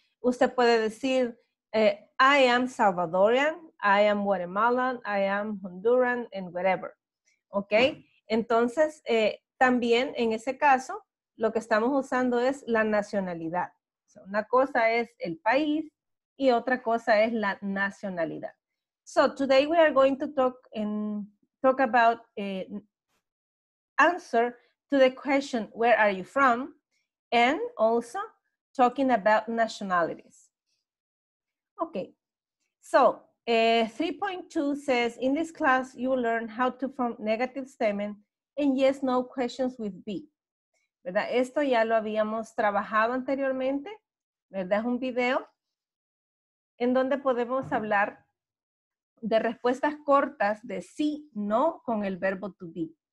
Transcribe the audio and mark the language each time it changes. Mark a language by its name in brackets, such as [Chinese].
[Spanish] Usted puede decir, [English] I am Salvadorian, I am Guatemalan, I am Honduran, and whatever. ¿Ok? [Spanish] Entonces, también en ese caso, lo que estamos usando es la nacionalidad. So, una cosa es el país y otra cosa es la nacionalidad. [English] So today we are going to talk about answer to the question, where are you from? And also talking about nationalities. Okay, so 3.2 says, in this class you will learn how to form negative statement and yes, no questions with B. [Spanish] ¿Verdad? Esto ya lo habíamos trabajado anteriormente. ¿Verdad? Es un video en donde podemos hablar de respuestas cortas de sí, no, con el verbo to be.